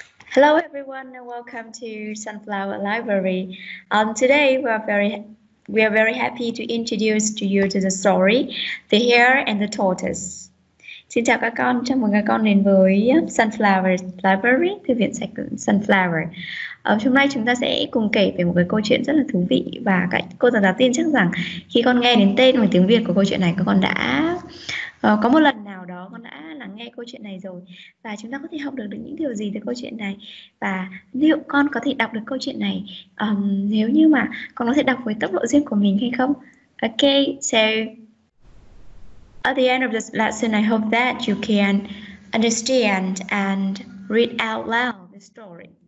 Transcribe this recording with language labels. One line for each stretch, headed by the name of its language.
English: Hello everyone and welcome to Sunflower Library. Today we are very happy to introduce to you to the story The Hare and the Tortoise.
Vietnamese: Xin chào các con, chào mừng các con đến với Sunflower Library, thư viện sách Sunflower. Hôm nay chúng ta sẽ cùng kể về một cái câu chuyện rất là thú vị, và các cô giáo đầu tiên chắc rằng khi con nghe đến tên và tiếng Việt của câu chuyện này, các con đã có một lần nào đó con đã lắng nghe câu chuyện này rồi, và chúng ta có thể học được những điều gì từ câu chuyện này, và liệu con có thể đọc được câu chuyện này nếu như mà con có thể đọc với tốc độ riêng của mình hay không.
English: Okay, so at the end of this lesson, I hope that you can understand and read out loud the story.